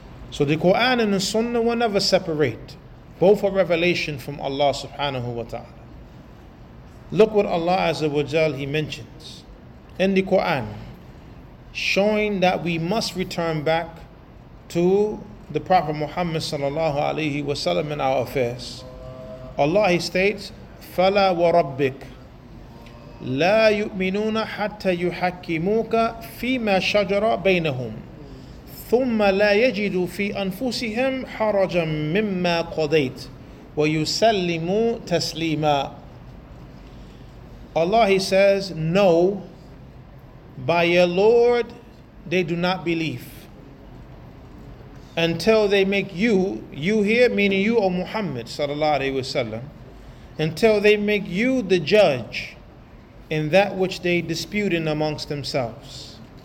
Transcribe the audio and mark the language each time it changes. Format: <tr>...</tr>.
<en>So the Quran and the Sunnah will never separate. Both are revelation from Allah subhanahu wa ta'ala. Look what Allah Azza wa Jal, he mentions in the Quran, showing that we must return back to the Prophet Muhammad sallallahu alayhi wa sallam in our affairs. Allah, he states,</en> <ar>فَلَا وَرَبِّكَ لا يؤمنون حتى يحكموك فيما شجر بينهم ثم لا يجدوا في أنفسهم حرجا مما قضيت ويسلموا تسليما.</ar> <en>Allah, he says, no, by your Lord they do not believe until they make you here, meaning you, O Muhammad sallallahu alaihi wasallam, until they make you the judge in that which they dispute in amongst themselves.</en>